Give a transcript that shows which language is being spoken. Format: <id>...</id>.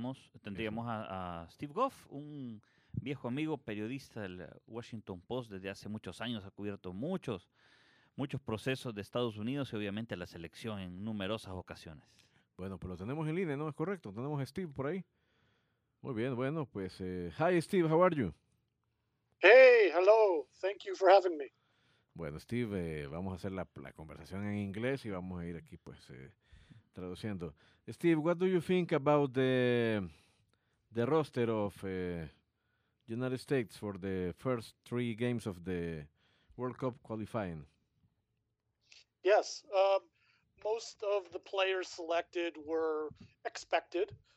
<es>Sí, tendríamos a Steve Goff, un viejo amigo periodista del Washington Post desde hace muchos años, ha cubierto muchos procesos de Estados Unidos y obviamente la selección en numerosas ocasiones. Bueno, pues lo tenemos en línea, ¿no? Es correcto, tenemos a Steve por ahí. Muy bien, bueno, pues,</es> <en>hi Steve, how are you? Hey, hello, thank you for having me.</en> <es>Bueno, Steve, vamos a hacer la conversación en inglés y vamos a ir aquí, pues, traduciendo.</es> <en>Steve, what do you think about the roster of United States for the first three games of the World Cup qualifying? Yes, most of the players selected were expected.</en>